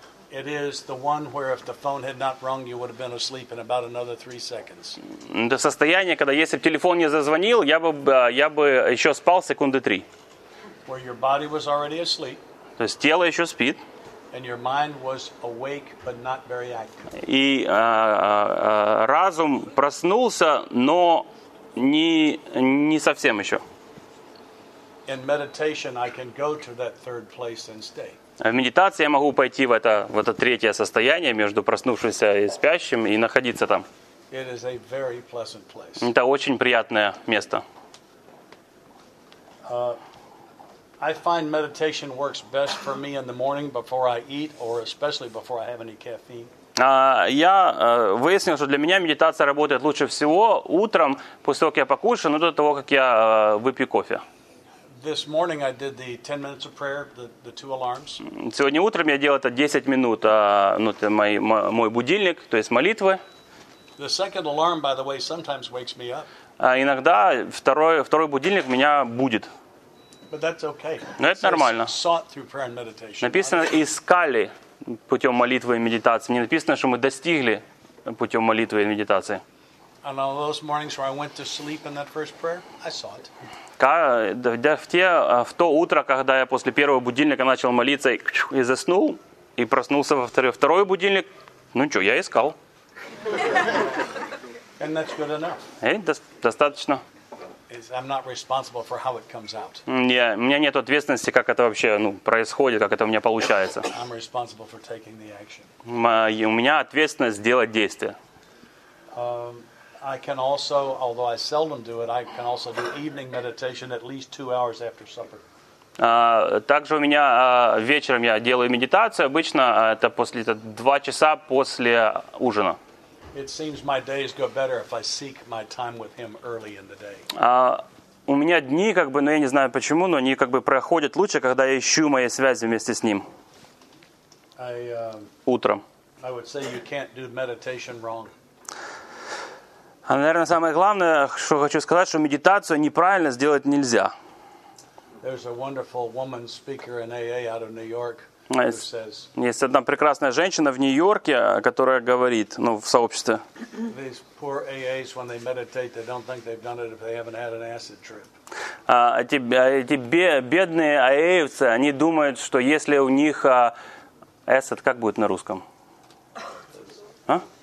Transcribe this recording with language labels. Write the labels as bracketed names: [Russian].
[English] It is the one where if the phone had not rung, you would have been asleep in about another 3 seconds. [Russian] Это состояние, когда если бы телефон не зазвонил, я бы еще спал секунды три. [English] Where your body was already asleep. [Russian] То есть тело еще спит. [English] And your mind was awake, but not very active. [Russian] И разум проснулся, но не совсем еще. [English] In meditation, I can go to that third place and stay. [Russian] В медитации я могу пойти в это третье состояние между проснувшимся и спящим и находиться там. [English] It is a very pleasant place. [Russian] Это очень приятное место. [English] I find meditation works best for me in the morning before I eat or especially before I have any caffeine. [Russian] Я выяснил, что для меня медитация работает лучше всего утром, после того, как я покушаю, но до того, как я выпью кофе. [English] This morning I did the 10 minutes of prayer, the two alarms. [Russian] Сегодня утром я делал это 10 минут, мой будильник, то есть молитвы. [English] The second alarm, by the way, sometimes wakes me up. [Russian] Иногда второй будильник меня будет. [English] But that's okay. [Russian] Но это нормально. [English] Sought through prayer and meditation. [Russian] Написано, искали путем молитвы и медитации. Не написано, что мы достигли путем молитвы и медитации. [English] And on those mornings where I went to sleep in that first prayer, I saw it. [Russian] В то утро, когда я после первого будильника начал молиться и заснул, и проснулся во второй будильник, ну что, я искал. [English] And that's good enough. [Russian] Достаточно. [English] I'm not responsible for how it comes out. [Russian] У меня нет ответственности, как это вообще происходит, как это у меня получается. [English] I'm responsible for taking the action. [Russian] У меня ответственность сделать действие. [English] I can also, although I seldom do it, I can also do evening meditation at least 2 hours after supper. [Russian] Также у меня вечером я делаю медитацию. Обычно это после 2 часа после ужина. [English] It seems my days go better if I seek my time with him early in the day. [Russian] У меня дни, я не знаю почему, но они как бы проходят лучше, когда я ищу мои связи вместе с ним. Утром. [English] I would say you can't do meditation wrong. [Russian] А, наверное, самое главное, что хочу сказать, что медитацию неправильно сделать нельзя. [English] There's a wonderful woman speaker in AA out of New York who says. [Russian] Есть одна прекрасная женщина в Нью-Йорке, которая говорит, в сообществе. [English] These poor AAs, when they meditate, they don't think they've done it if they haven't had an acid trip. [Russian] Эти бедные AAевцы, они думают, что если у них acid, как будет на русском? А?